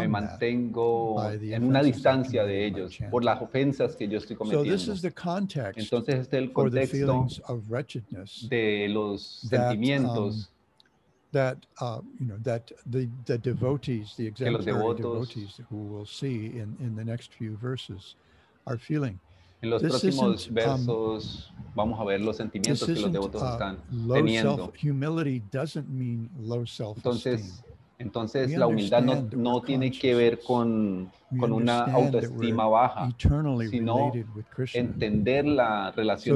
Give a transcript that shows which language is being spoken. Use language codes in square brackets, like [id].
[es] me mantengo en una distancia de ellos por las ofensas que yo estoy cometiendo. [en] So this is the context. [es] Entonces este es el contexto de los sentimientos [en] that you know that the devotees, the exemplary devotees who we'll see in the next few verses are feeling. [es] En los próximos versos vamos a ver los sentimientos que los devotos están [en] low [es] teniendo. [en] Self, humility doesn't mean low self-esteem. [es] Entonces la humildad no tiene que ver con una autoestima baja, sino entender la relación